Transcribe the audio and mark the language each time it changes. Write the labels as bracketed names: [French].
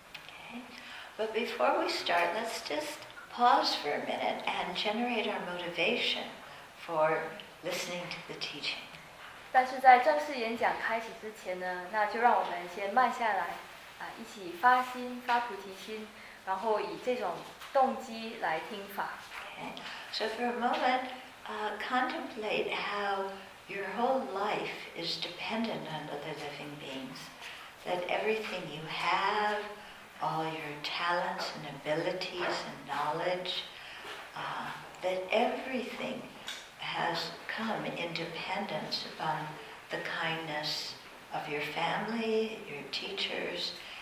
[English] But before we start, let's just pause for a minute and generate our motivation for listening to the teaching. [Chinese] 但是在正式演讲开始之前呢，那就让我们先慢下来，一起发心、发菩提心，然后以这种。动机来听法。 [English] So for a moment, contemplate how your whole life is dependent on other living beings. That everything you have, all your talents and abilities and knowledge, that everything has come in dependence upon the kindness of your family, your teachers.